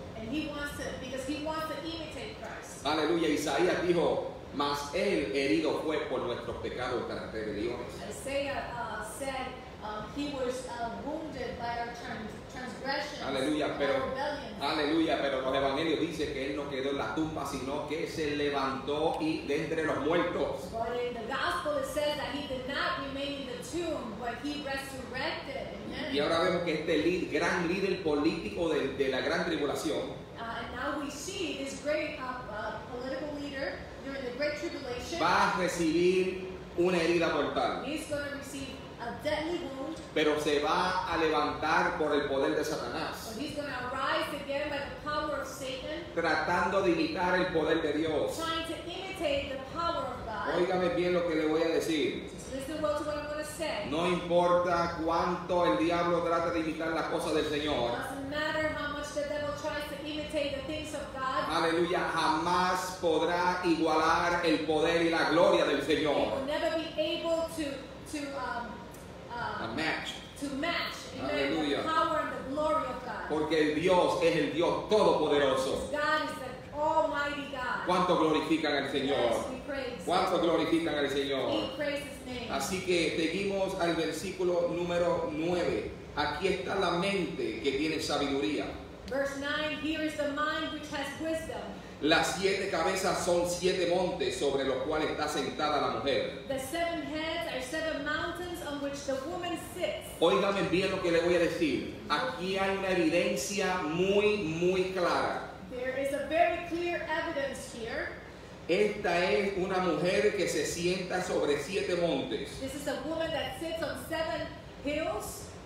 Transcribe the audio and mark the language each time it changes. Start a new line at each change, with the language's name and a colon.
English: And he wants to, because he wants to imitate Christ.
Spanish: Aleluya, Isaías dijo, mas él herido fue por nuestros pecados, por nuestras rebeliones.
English: Isaiah said he was wounded by our transgressions.
Spanish: Aleluya, pero aleluya, pero los evangelios dice que él no quedó en la tumba, sino que se levantó y de entre los muertos.
English: But in the gospel it says that he did not remain in the tomb, but he resurrected.
Spanish: Y ahora vemos que este gran líder político de la gran tribulación.
English: And now we see this great political leader during the great tribulation.
Spanish: Va a recibir una herida mortal.
English: He's going to receive a deadly wound.
Spanish: Pero se va a levantar por el poder de Satanás.
English: But he's going to rise again by the power of Satan.
Spanish: Tratando de imitar el poder de Dios.
English: Trying to imitate the power of God.
Spanish: Óigame bien lo que le voy a decir.
English: Listen well to what I'm going to say.
Spanish: No importa cuánto el diablo trate de imitar las cosas del Señor.
English: It doesn't matter how much the devil tries to imitate the things of God.
Spanish: Aleluya, jamás podrá igualar el poder y la gloria del Señor.
English: It will never be able to match
Spanish: aleluya,
English: the power and the glory of God.
Spanish: Porque el Dios es el Dios todopoderoso.
English: God is the Almighty God.
Spanish: ¿Cuánto glorifican al Señor?
English: Yes, we praise.
Spanish: ¿Cuánto glorifican al Señor?
English: We praise His name.
Spanish: Así que seguimos al versículo número 9. Aquí está la mente que tiene sabiduría.
English: Verse 9, here is the mind which has wisdom.
Spanish: Las siete cabezas son siete montes sobre los cuales está sentada la mujer.
English: The seven heads are seven mountains on which the woman sits.
Spanish: Óigame bien lo que le voy a decir. Aquí hay una evidencia muy, muy clara.
English: There is a very clear evidence here.
Spanish: Esta es una mujer que se sienta sobre siete montes.
English: This is a woman that sits on seven hills.